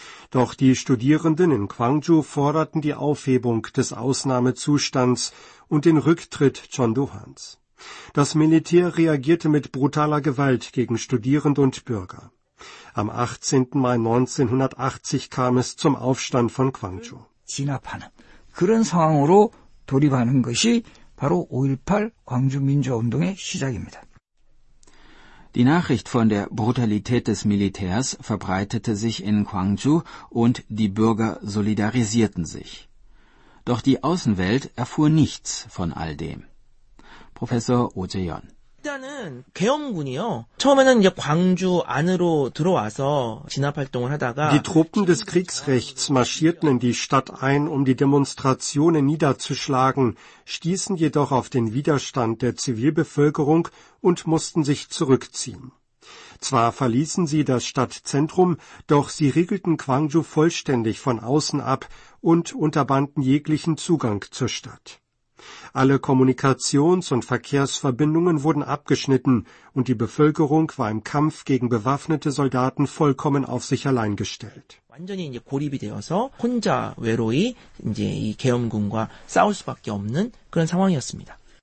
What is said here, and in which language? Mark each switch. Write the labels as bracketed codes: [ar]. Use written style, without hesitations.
[de] Doch die Studierenden in Gwangju forderten die Aufhebung des Ausnahmezustands und den Rücktritt Chun Doo-hans. Das Militär reagierte mit brutaler Gewalt gegen Studierende und Bürger. Am 18. Mai 1980 kam es zum Aufstand von Gwangju. [ko] 진압하는 그런 상황으로 돌입하는 것이 바로 5.18 광주민주화운동의 시작입니다. [de] Die Nachricht von der Brutalität des Militärs verbreitete sich in Gwangju und die Bürger solidarisierten sich. Doch die Außenwelt erfuhr nichts von all dem. Professor Oh Jae-yeon. [ko] 일단은 계엄군이요. 처음에는 이제 광주 안으로 들어와서 진압 활동을 하다가 [de] Die Truppen des Kriegsrechts marschierten in die Stadt ein, um die Demonstrationen niederzuschlagen, stießen jedoch auf den Widerstand der Zivilbevölkerung und mussten sich zurückziehen. Zwar verließen sie das Stadtzentrum, doch sie riegelten Gwangju vollständig von außen ab und unterbanden jeglichen Zugang zur Stadt. Alle Kommunikations- und Verkehrsverbindungen wurden abgeschnitten und die Bevölkerung war im Kampf gegen bewaffnete Soldaten vollkommen auf sich allein gestellt. [ko] 완전히 이제 고립이 되어서 혼자 외로이 이제 이 계엄군과 싸울 수밖에 없는 그런 상황이었습니다.